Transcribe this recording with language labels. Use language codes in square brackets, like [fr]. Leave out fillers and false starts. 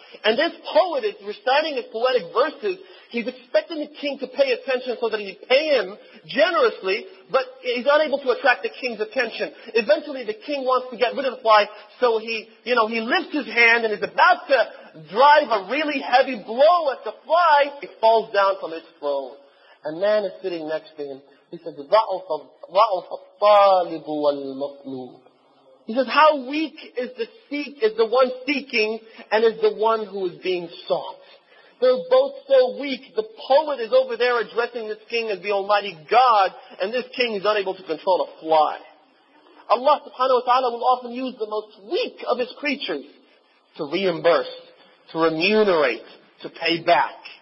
[en] And this poet is reciting his poetic verses. He's expecting the king to pay attention so that he'd pay him generously, but he's unable to attract the king's attention. Eventually the king wants to get rid of the fly, so he, you know, he lifts his hand and is about to drive a really heavy blow at the fly. It falls down from his throne. A man is sitting next to him. He says, [ar] ضَعُفَ الطَّالِبُ وَالْمَطْلُوبُ. [en] He says, how weak is the seek, is the one seeking, and is the one who is being sought. They're both so weak. The poet is over there addressing this king as the Almighty God, and this king is unable to control a fly. Allah subhanahu wa ta'ala will often use the most weak of His creatures to reimburse, to remunerate, to pay back.